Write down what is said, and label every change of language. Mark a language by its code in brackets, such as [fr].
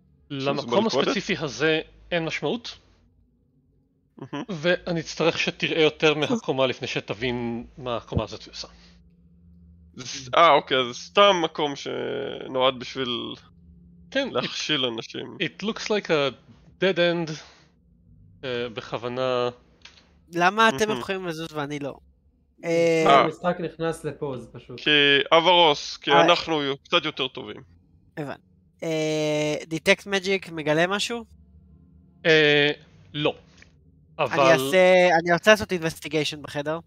[he] למקום הספציפי הזה אין משמעות. ואני אצטרך שתראה יותר מהקומה לפני שתבין מה הקומה הזאת עושה. אוקיי, זה סתם מקום שנועד בשביל להכשיל אנשים. [en] It looks like a dead end, [he] בכוונה... למה אתם יכולים לזוז ואני לא? המשחק נכנס לפוז פשוט. כי אברוס, כי אנחנו קצת יותר טובים. הבן. Detect Magic מגלה משהו? לא. אבל... אני רוצה לעשות investigation בחדר.